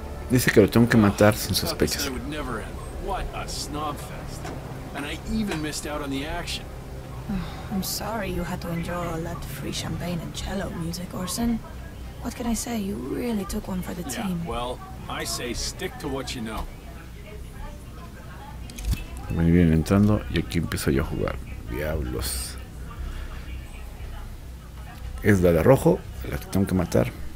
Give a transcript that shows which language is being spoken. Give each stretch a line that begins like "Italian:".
Spanish: Dice que lo tengo que matar sin sospechas.
English: What a snobfest. And I even missed out on the action. Oh, I'm sorry you had to enjoy all that free champagne and cello music, Orson. What can I say? You really took one for the team. Yeah, well, I say stick to what you know.
Spanish: Me vienen entrando y aquí empiezo yo a jugar. Diablos. Es la de rojo, la que tengo que matar.